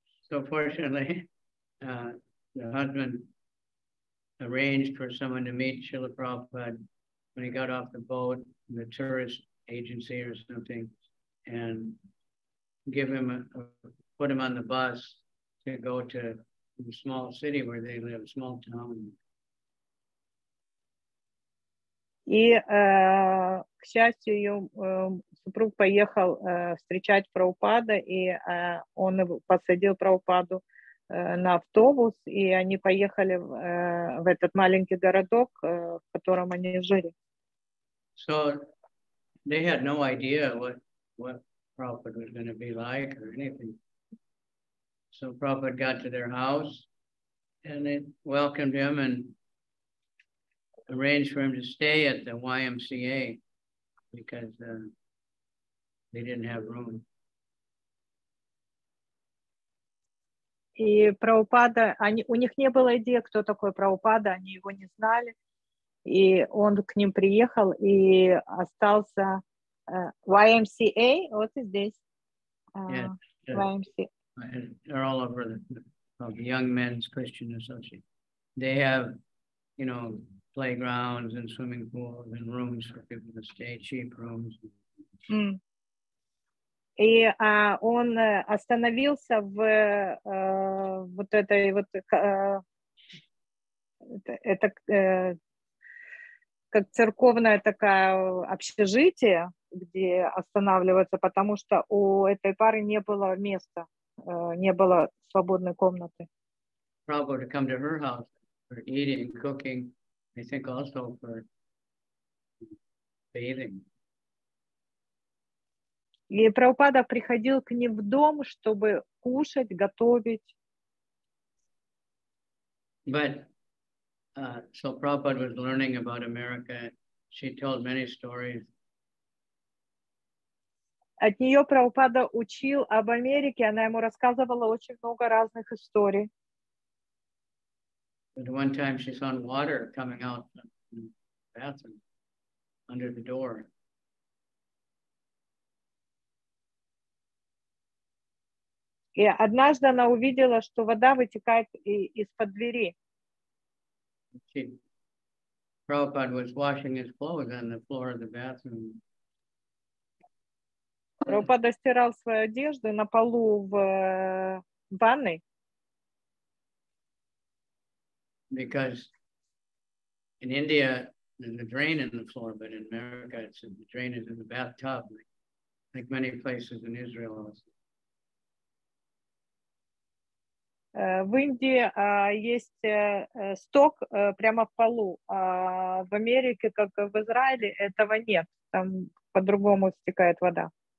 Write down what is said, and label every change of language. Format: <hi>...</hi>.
<en>So fortunately, the husband arranged for someone to meet Srila Prabhupada when he got off the boat, the tourist agency or something, and give him put him on the bus to go to the small city where they live, small town.</en> <ru>И, к счастью, ее супруг поехал встречать Прабхупада, и он посадил Прабхупаду на автобус, и они поехали в этот маленький городок, в котором они жили.</ru> <en>So they had no idea what Prabhupada was going to be like or anything. So Prabhupada got to their house and they welcomed him and arranged for him to stay at the YMCA because they didn't have room.</en> <ru>И Прабхупада, у них не было идеи, кто такой Прабхупада, они его не знали. И он к ним приехал и остался YMCA, вот и здесь.</ru> <en>YMCA. They're all over the young men's Christian Association. They have, you know, playgrounds and swimming pools and rooms for people to stay, cheap rooms. Mm.</en> <ru>И он остановился в вот этой вот это как церковное такое общежитие, где останавливаться, потому что у этой пары не было места, не было свободной комнаты.</ru> <en>Probably to come to her house for eating, cooking, I think also for bathing.</en> <ru>И Прабхупада приходил к ним в дом, чтобы кушать, готовить.</ru> <en>But, so Prabhupada was learning about America. She told many stories.</en> <ru>От нее Прабхупада учил об Америке, она ему рассказывала очень много разных историй.</ru> <en>But one time she saw water coming out of the bathroom under the door.</en> <ru>И однажды она увидела, что вода вытекает из-под двери.</ru> <en>Prabhupada was washing his clothes on the floor of the bathroom.</en> <ru>Прабхупада стирал свою одежду на полу в ванной.</ru> <en>Because in India there's a drain in the floor, but in America it's the drain is in the bathtub, like many places in Israel also.</en> <ru>В Индии есть сток прямо в полу, а в Америке, как в Израиле, этого нет. Там по-другому стекает вода.</ru>